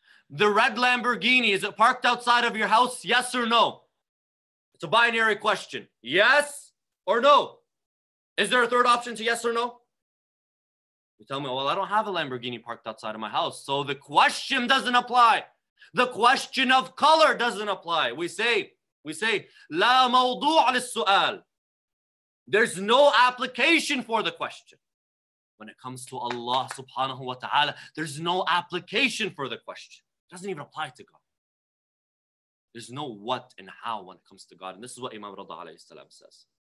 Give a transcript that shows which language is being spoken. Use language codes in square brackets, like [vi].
[en] the red Lamborghini, is it parked outside of your house? Yes or no? It's a binary question. Yes or no? Is there a third option to yes or no? You tell me, well, I don't have a Lamborghini parked outside of my house. So the question doesn't apply. The question of color doesn't apply. [ar] We say, لا موضوع للسؤال. [en] There's no application for the question. When it comes to Allah subhanahu wa ta'ala, there's no application for the question. It doesn't even apply to God. There's no what and how when it comes to God. And this is what Imam Rida alayhi salam says.